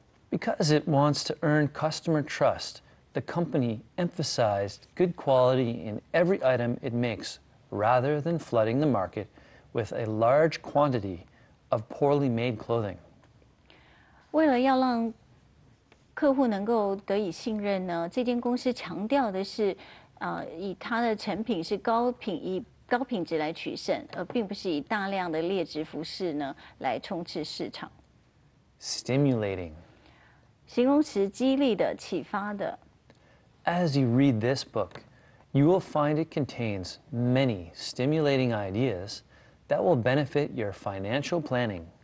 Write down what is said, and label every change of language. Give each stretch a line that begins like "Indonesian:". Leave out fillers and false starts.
English: Because it wants to earn customer trust, the company emphasized good quality in every item it makes rather than flooding the market with a large quantity of poorly made clothing.
Chinese: 为了要让客户能够得以信任呢，这间公司强调的是，以它的产品是高品以高品质来取胜，而并不是以大量的劣质服饰呢来充斥市场。Stimulating. 形容词激励的、启发的。As
English: you read this book, you will find it contains many stimulating ideas that will benefit your financial planning.